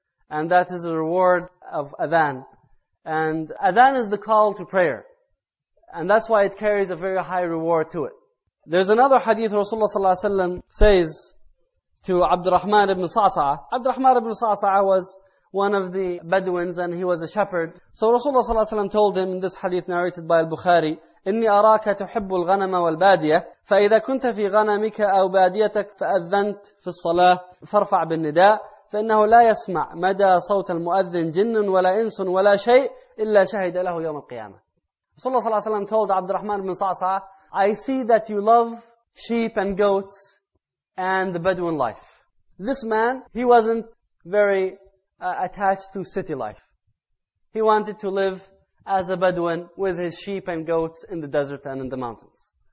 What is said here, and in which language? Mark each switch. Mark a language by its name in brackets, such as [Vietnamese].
[English] And that is a reward of adhan. And adhan is the call to prayer. And that's why it carries a very high reward to it. There's another hadith Rasulullah sallallahu alayhi wa sallam says to Abdurrahman ibn Sa'sa'a. Abdurrahman ibn Sa'sa'a was one of the Bedouins and he was a shepherd. So Rasulullah sallallahu alayhi wa sallam told him in this hadith narrated by al-Bukhari, [Arabic] إني أراك تحب الغنم والبادية فإذا كنت في غنمك أو باديتك فأذنت في الصلاة فارفع بالنداء فإنه لا يسمع مدى صوت المؤذن جن ولا إنس ولا شيء إلا شهد له يوم القيامة. [English] Rasulullah صلى الله عليه وسلم told عبد الرحمن بن صعصعة, I see that you love sheep and goats and the Bedouin life. This man, he wasn't very attached to city life. He wanted to live as a Bedouin with his sheep and goats in the desert and in the mountains.